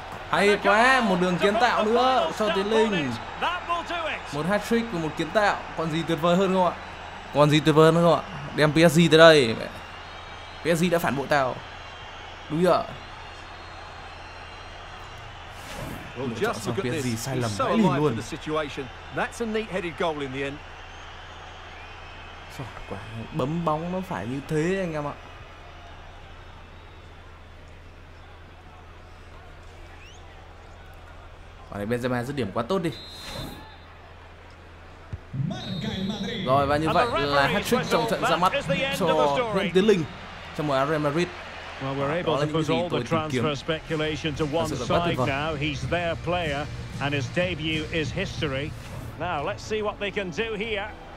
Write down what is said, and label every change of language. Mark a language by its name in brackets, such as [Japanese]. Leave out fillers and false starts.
[Vietnamese] Hay quá, một đường kiến tạo nữa cho Tiến Linh. Một hat-trick và một kiến tạo, còn gì tuyệt vời hơn không ạ? Còn gì tuyệt vời hơn không ạ? Đem PSG tới đây. PSG đã phản bội tao. Đúng chưa? PSG sai lầm đấy liền luôn. [English] That's a neat-headed goal in the end. [Vietnamese] Trời quá, bấm bóng nó phải như thế anh em ạ. Ở đây Benzema dứt điểm quá tốt đi. Rồi và như vậy là hat-trick trong trận ra mắt cho Nguyễn Tiến Linh trong mùa Real Madrid. Đó là những gì tôi tìm kiếm. Thật sự là quá tuyệt vời. [English] He's their player and his debut is history. Now let's see what they can do here.